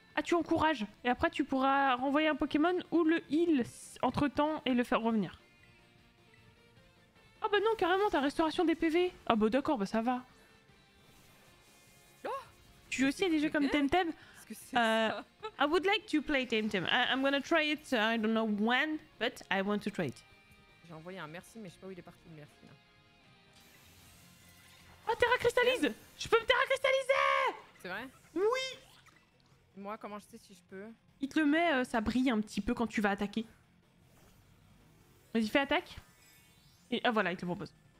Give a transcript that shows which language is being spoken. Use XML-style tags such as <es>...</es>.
<fr>Ah, tu encourages! Et après, tu pourras renvoyer un Pokémon ou le heal entre temps et le faire revenir. Ah, bah non, carrément, t'as restauration des PV! Ah, bah d'accord, bah ça va! Oh, tu joues aussi à des jeux comme Temtem?</fr> <en>I would like to play Temtem. I'm gonna try it, I don't know when, but I want to try it.</en> <fr>J'ai envoyé un merci, mais je sais pas où il est parti, le merci. Là. Oh, Terra Cristallise! Je peux me Terra Cristalliser! C'est vrai? Oui! Moi, comment je sais si je peux? Il te le met, ça brille un petit peu quand tu vas attaquer. Vas-y, fais attaque. Et ah, voilà, il te propose.</fr>